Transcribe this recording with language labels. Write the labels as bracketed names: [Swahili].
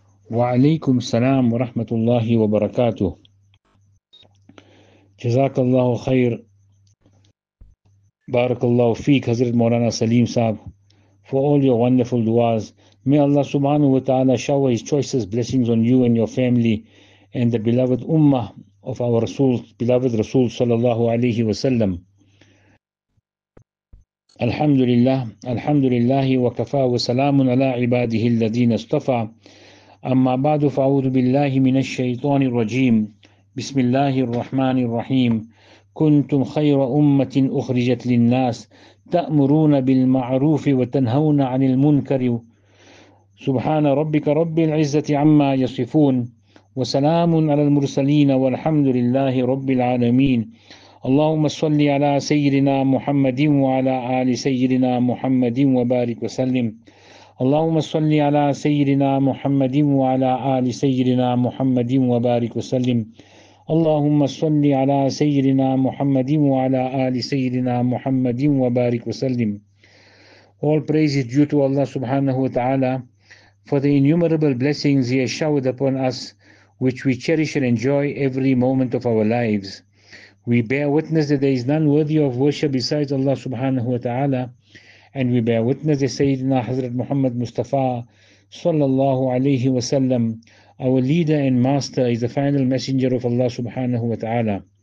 [Arabic] وعليكم السلام ورحمة الله وبركاته. جزاك الله خير، بارك الله فيك حضرت مولانا سليم صاحب [English] for all your wonderful duas. May Allah subhanahu wa ta'ala shower his choicest blessings on you and your family and the beloved ummah of our Rasul, beloved Rasul sallallahu alayhi wa sallam. [Arabic] Alhamdulillah, alhamdulillahi wa kafa wa salamun ala ibadihi alladhina astafa. Amma ba'du fa'udhu billahi minash shaitani rajim. Bismillahi rrahmani rrahim. Kuntum khayra ummatin ukhrijat linnas. تأمرون بالمعروف وتنهون عن المنكر سبحان ربك رب العزة عما يصفون وسلام على المرسلين والحمد لله رب العالمين اللهم صل على سيدنا محمد وعلى آل سيدنا محمد وبارك وسلم اللهم صل على سيدنا محمد وعلى آل سيدنا محمد وبارك وسلم اللهم صل على سيدنا محمد وعلى آل سيدنا محمد وبارك وسلم. [English] All praise is due to Allah subhanahu wa ta'ala for the innumerable blessings He has showered upon us, which we cherish and enjoy every moment of our lives. We bear witness that there is none worthy of worship besides Allah subhanahu wa ta'ala, and we bear witness that Sayyidina Hazrat Muhammad Mustafa sallallahu alayhi wa sallam, our leader and master, is the final messenger of Allah subhanahu wa ta'ala.